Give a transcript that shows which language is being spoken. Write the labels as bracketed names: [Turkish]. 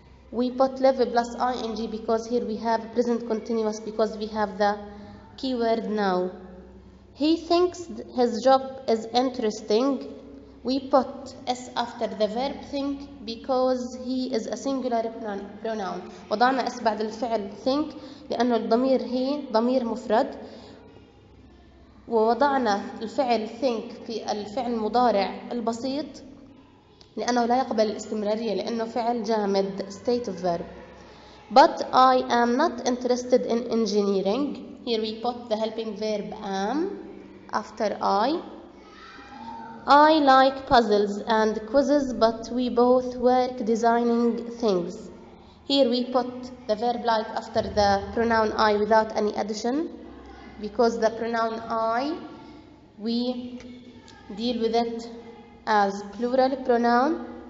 [English] We put live plus ing because here we have present continuous because we have the keyword now. He thinks his job is interesting. We put s after the verb think because he is a singular pronoun. [Arabic] وضعنا s بعد الفعل think لأنه الضمير هي ضمير مفرد. ووضعنا الفعل think في الفعل المضارع البسيط لأنه لا يقبل الاستمرارية لأنه فعل جامد [English] state of verb. But I am not interested in engineering. Here we put the helping verb am after I. I like puzzles and quizzes, but we both work designing things. Here we put the verb like after the pronoun I without any addition, because the pronoun I, we deal with it as plural pronoun.